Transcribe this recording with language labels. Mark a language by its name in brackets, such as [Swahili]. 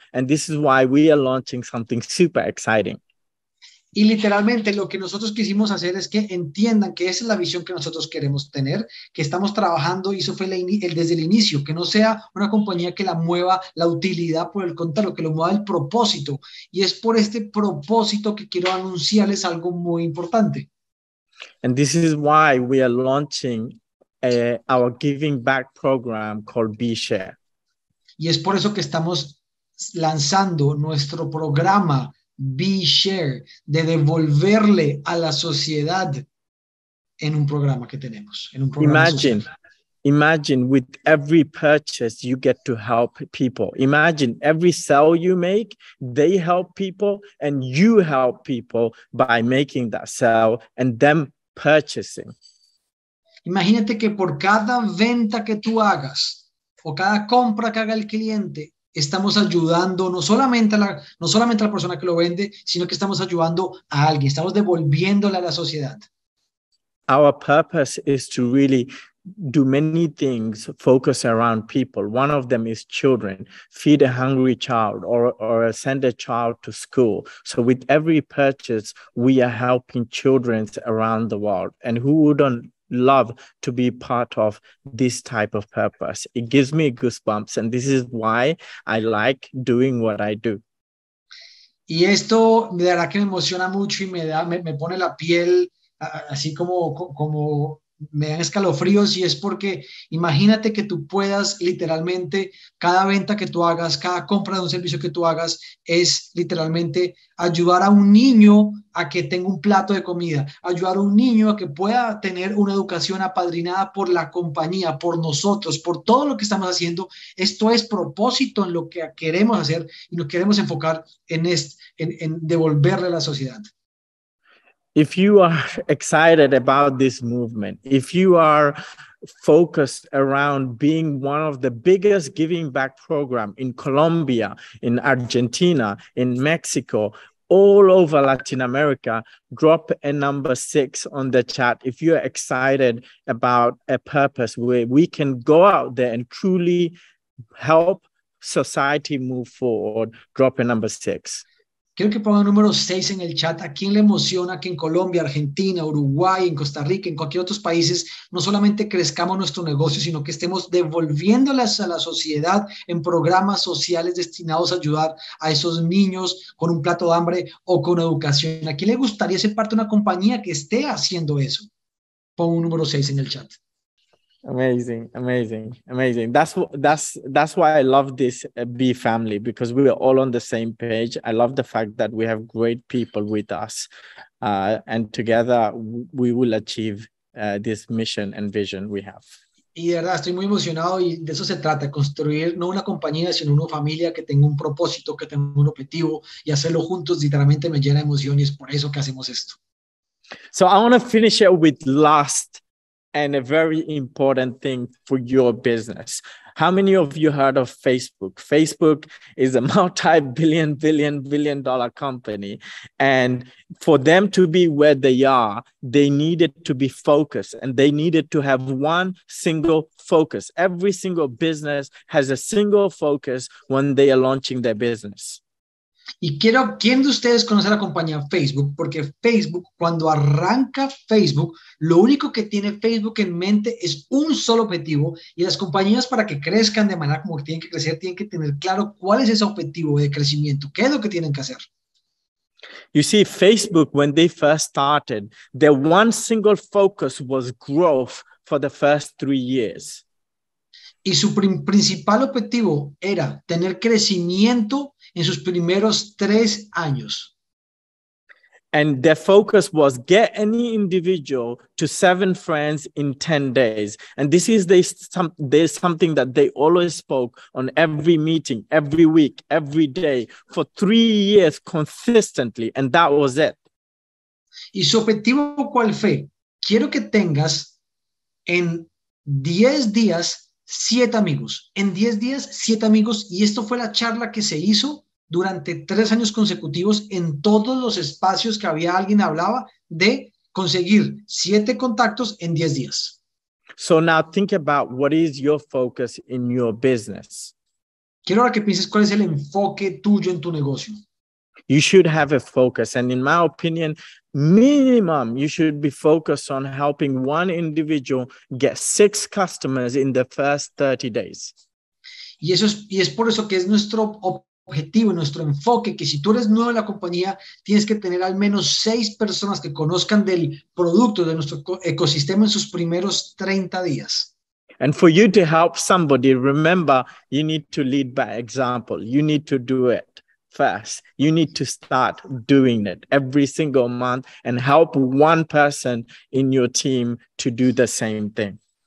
[English] And this is why we are launching something super exciting. [Spanish] Y literalmente lo que nosotros quisimos hacer es que entiendan que esa es la visión que nosotros queremos tener, que estamos trabajando, y eso fue desde el inicio, que no sea una compañía que la mueva la utilidad por el contrario, que lo mueva el propósito. Y es por este propósito que quiero anunciarles algo muy importante. [English] And this is why we are launching our giving back program called Be Share. [Spanish] Y es por eso que estamos lanzando nuestro programa Be Share, de devolverle a la sociedad en un programa que tenemos. En un programa [English] imagine, social. Imagine with every purchase you get to help people. Imagine every sale you make, they help people and you help people by making that sale and them purchasing. [Spanish] Imagínate que por cada venta que tú hagas o cada compra que haga el cliente, estamos ayudando no solamente a la persona que lo vende, sino que estamos ayudando a alguien, estamos devolviéndole a la sociedad. [English] Our purpose is to really do many things focused around people. One of them is children. Feed a hungry child or send a child to school. So with every purchase, we are helping children around the world. And who wouldn't love to be part of this type of purpose? It gives me goosebumps, and this is why I like doing what I do. [Spanish] Y esto de verdad que me emociona mucho y me pone la piel así como me dan escalofríos, y es porque imagínate que tú puedas literalmente cada venta que tú hagas, cada compra de un servicio que tú hagas, es literalmente ayudar a un niño a que tenga un plato de comida, ayudar a un niño a que pueda tener una educación apadrinada por la compañía, por nosotros, por todo lo que estamos haciendo. Esto es propósito en lo que queremos hacer y nos queremos enfocar en devolverle a la sociedad. [English] If you are excited about this movement, if you are focused around being one of the biggest giving back program in Colombia, in Argentina, in Mexico, all over Latin America, drop a number 6 on the chat. If you are excited about a purpose where we can go out there and truly help society move forward, drop a number 6. [Spanish] Quiero que pongan número 6 en el chat. ¿A quién le emociona que en Colombia, Argentina, Uruguay, en Costa Rica, en cualquier otro país, no solamente crezcamos nuestro negocio, sino que estemos devolviéndolas a la sociedad en programas sociales destinados a ayudar a esos niños con un plato de hambre o con educación? ¿A quién le gustaría ser parte de una compañía que esté haciendo eso? Pon un número 6 en el chat. [English] Amazing, amazing, amazing. That's why I love this B family, because we are all on the same page. I love the fact that we have great people with us, and together we will achieve this mission and vision we have. [Spanish] Y de verdad estoy muy emocionado, y de eso se trata, construir no una compañía sino una familia que tenga un propósito, que tenga un objetivo, y hacerlo juntos literalmente me llena de emoción, y es por eso que hacemos esto. [English] So I want to finish it with last and a very important thing for your business. How many of you heard of Facebook? Facebook is a multi-billion dollar company. And for them to be where they are, they needed to be focused, and they needed to have one single focus. Every single business has a single focus when they are launching their business. [Spanish] Y quiero, ¿quién de ustedes conoce la compañía Facebook? Porque Facebook, cuando arranca Facebook, lo único que tiene Facebook en mente es un solo objetivo, y las compañías, para que crezcan de manera como que tienen que crecer, tienen que tener claro cuál es ese objetivo de crecimiento, qué es lo que tienen que hacer. [English] You see, Facebook, when they first started, their one single focus was growth for the first 3 years. [Spanish] Y su principal objetivo era tener crecimiento en sus primeros 3 años. [English] And their focus was get any individual to 7 friends in 10 days. And this is there's something that they always spoke on every meeting, every week, every day, for 3 years consistently. And that was it. [Spanish] ¿Y su objetivo cuál fue? Quiero que tengas en 10 días 7 amigos. En 10 días 7 amigos. Y esto fue la charla que se hizo durante 3 años consecutivos en todos los espacios que había alguien hablaba de conseguir 7 contactos en 10 días. [English] So now think about what is your focus in your business. [Spanish] Quiero ahora que pienses cuál es el enfoque tuyo en tu negocio. [English] You should have a focus, and in my opinion, minimum, you should be focused on helping one individual get 6 customers in the first 30 days. [Spanish] Y es por eso que es nuestro objetivo, nuestro enfoque, que si tú eres nuevo en la compañía, tienes que tener al menos 6 personas que conozcan del producto, de nuestro ecosistema, en sus primeros 30 días. [English] And for you to help somebody, remember, you need to lead by example. You need to do it first. You need to start doing it every single month and help one person in your team to do the same thing.